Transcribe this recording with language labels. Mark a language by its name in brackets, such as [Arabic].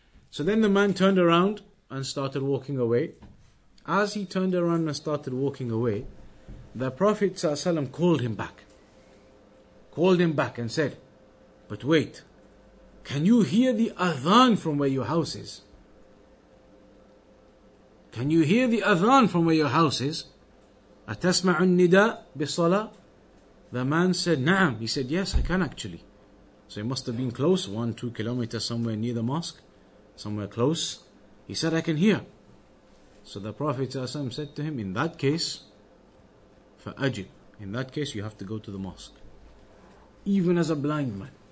[English] So then the man turned around and started walking away. As he turned around and started walking away, the Prophet ﷺ called him back. Called him back and said, but wait, can you hear the adhan from where your house is? Can you hear the adhan from where your house is? [Arabic] أتسمع النداء بصلاة؟ [English] The man said, [Arabic] نعم. [English] He said, yes, I can actually. So he must have been close, 1-2 kilometers somewhere near the mosque, somewhere close. He said, I can hear. So the Prophet ﷺ said to him, in that case, فأجب. In that case, you have to go to the mosque. Even as a blind man.